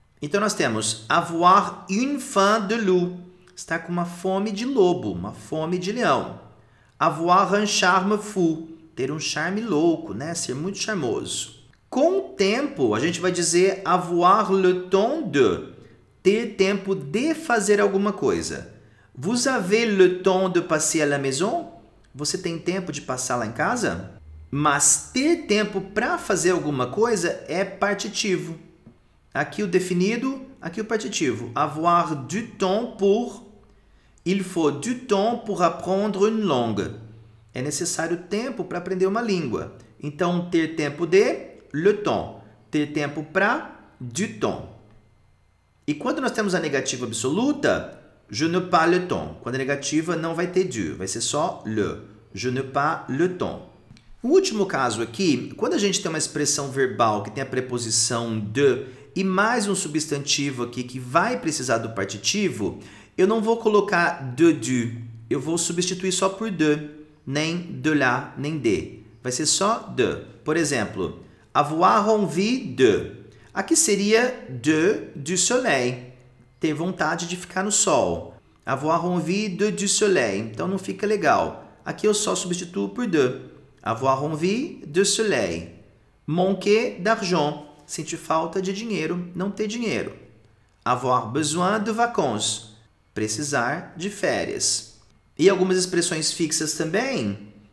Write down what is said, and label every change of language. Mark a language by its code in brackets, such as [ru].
[pt] Então nós temos [fr] avoir une faim de loup, [pt] estar com uma fome de lobo, uma fome de leão. [fr] Avoir un charme fou, [pt] ter um charme louco, né? Ser muito charmoso. Com o tempo, a gente vai dizer [fr] avoir le temps de, [pt] ter tempo de fazer alguma coisa. [fr] Vous avez le temps de passer à la maison? [pt] Você tem tempo de passar lá em casa? Mas ter tempo para fazer alguma coisa é partitivo. Aqui o definido, aqui o partitivo. [fr] Avoir du temps pour. Il faut du temps pour apprendre une langue. [pt] É necessário tempo para aprender uma língua. Então, ter tempo de, le temps. Ter tempo para, du temps. E quando nós temos a negativa absoluta, [fr] je ne pas le temps. [pt] Quando é negativa, não vai ter du, vai ser só le. [fr] Je ne pas le temps. [pt] O último caso aqui, quando a gente tem uma expressão verbal que tem a preposição de e mais um substantivo aqui que vai precisar do partitivo, eu não vou colocar de, eu vou substituir só por de, nem de la, nem de. Vai ser só de. Por exemplo, [fr] avoir envie de. [pt] Aqui seria [fr] de du soleil. [pt] Ter vontade de ficar no sol. [fr] Avoir envie de du soleil. [pt] Então não fica legal. Aqui eu só substituo por de. [fr] Avoir envie de soleil. Manquer d'argent. [pt] Sentir falta de dinheiro, não ter dinheiro. [fr] Avoir besoin de vacances. [pt] Precisar de férias. E algumas expressões fixas também.